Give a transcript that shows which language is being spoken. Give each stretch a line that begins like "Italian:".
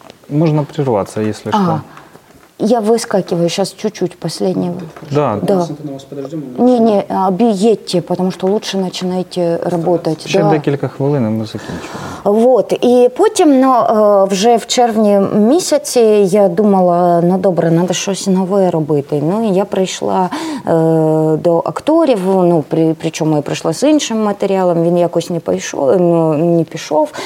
Ukrainian: Можна прерватися, якщо що.
Russian: Я выскакиваю сейчас чуть-чуть, последний. Да, да. Да. Не-не, объедьте, потому что лучше начинайте работать. Еще да.
Ukrainian: Декілька хвилин, и мы закінчуємо. Вот, и потом, ну, вже в червні місяці я думала, ну, добре, надо щось нове робити. Ну, и я прийшла до акторів, ну, причому я прийшла з іншим матеріалом, він якось не пішов, ну, не пішов.